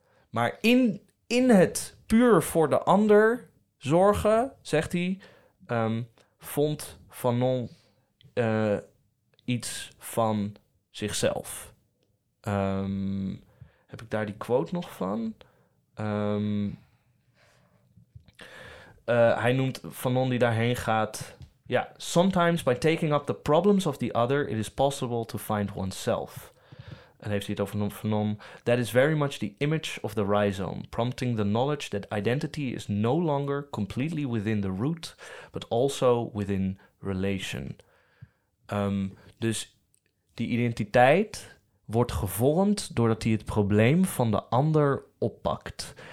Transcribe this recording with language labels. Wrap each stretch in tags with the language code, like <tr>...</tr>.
<nl>Maar in het puur voor de ander zorgen, zegt hij, vond Fanon iets van zichzelf. Heb ik daar die quote nog van? Hij noemt Fanon die daarheen gaat.</nl> <en>Ja, sometimes by taking up the problems of the other, it is possible to find oneself.</en> <nl>En heeft hij het over Fanon.</nl> <en>That is very much the image of the rhizome, prompting the knowledge that identity is no longer completely within the root, but also within relation.</en> <nl>Dus die identiteit wordt gevormd doordat hij het probleem van de ander oppakt.</nl>